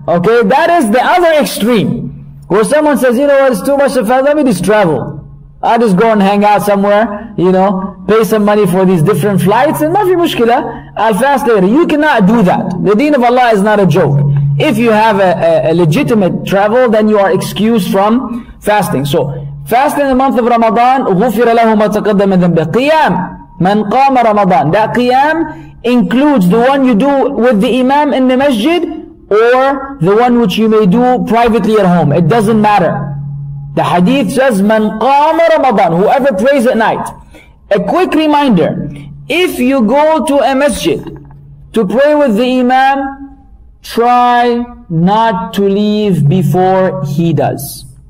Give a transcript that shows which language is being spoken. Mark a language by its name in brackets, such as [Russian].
[English] Okay, that is the other extreme. Where someone says, you know what, it's too much of fast, let me just travel. I'll just go and hang out somewhere, you know, pay some money for these different flights, and [Arabic] mafi mushkila, [English] I'll fast later. You cannot do that. The deen of Allah is not a joke. If you have a legitimate travel, then you are excused from fasting. So, fasting in the month of Ramadan, [Arabic] غُفِرَ لَهُ مَا تَقَدَّمَ مِنْ ذَنْبِهِ قِيَام مَنْ قَامَ رَمَضَان. [English] That qiyam includes the one you do with the imam in the masjid, or the one which you may do privately at home. It doesn't matter. The hadith says, [Arabic] مَنْ قَامَ رَمَضَان, [English] whoever prays at night. A quick reminder, if you go to a masjid to pray with the imam, try not to leave before he does.